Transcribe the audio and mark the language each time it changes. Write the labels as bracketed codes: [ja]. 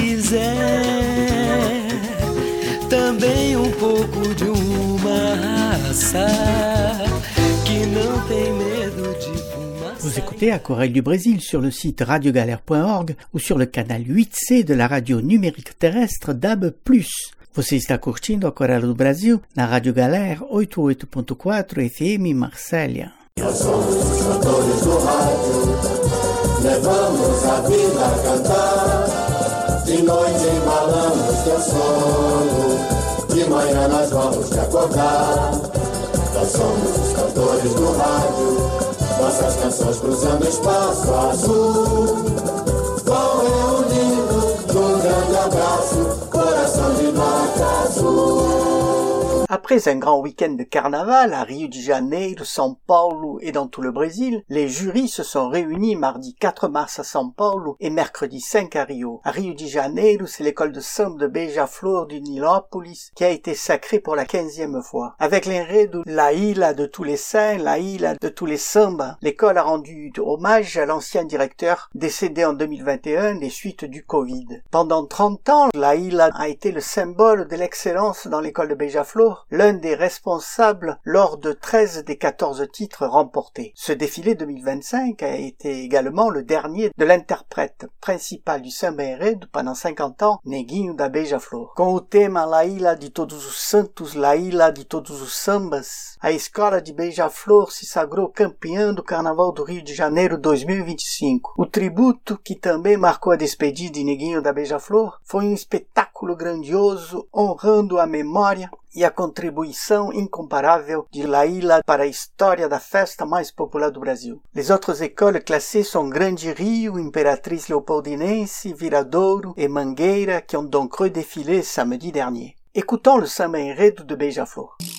[pt] É também um pouco de uma raça que não tem medo de fumar. [fr] Vous écoutez Aquarelle du Brésil sur le site radiogalère.org ou sur le canal 8C de la radio numérique terrestre DAB+. [pt] Você está curtindo Aquarelle do Brasil na Rádio Galère 88.4 FM Marselha. Levamos a vida a cantar. De noite embalamos teu sono, de manhã nós vamos te acordar. Nós somos os cantores do rádio, nossas canções cruzando espaço azul. Vão reunindo num grande abraço, coração de vaca azul. [fr] Après un grand week-end de carnaval à Rio de Janeiro, São Paulo et dans tout le Brésil, les jurys se sont réunis mardi 4 mars à São Paulo et mercredi 5 à Rio. À Rio de Janeiro, c'est l'école de samba de Beija-Flor du Nilópolis qui a été sacrée pour la 15e fois. Avec l'enredo de La Ilha de tous les saints, La Ilha de tous les sambas, l'école a rendu hommage à l'ancien directeur décédé en 2021 des suites du Covid. Pendant 30 ans, La Ilha a été le symbole de l'excellence dans l'école de Beija-Flor, l'un des responsables lors de 13 des 14 titres remportés. Ce défilé 2025 a été également le dernier de l'interprète principal du samba enredo pendant 50 ans, Neguinho da Beija-Flor. [pt] Com o tema La Ilha de Todos os Santos, La Ilha de Todos os Sambas, a escola de Beija-Flor se sagrou campeã do Carnaval do Rio de Janeiro 2025. O tributo, que também marcou a despedida de Neguinho da Beija-Flor, foi um espetáculo grandioso, honrando a memória e a contribuição incomparável de Laila para a história da festa mais popular do Brasil. [fr] Les autres écoles classées sont Grande Rio, Imperatriz Leopoldinense, Viradouro e Mangueira, que ont donc redéfilé samedi dernier. Écoutons le samba enredo de Beija-Flor.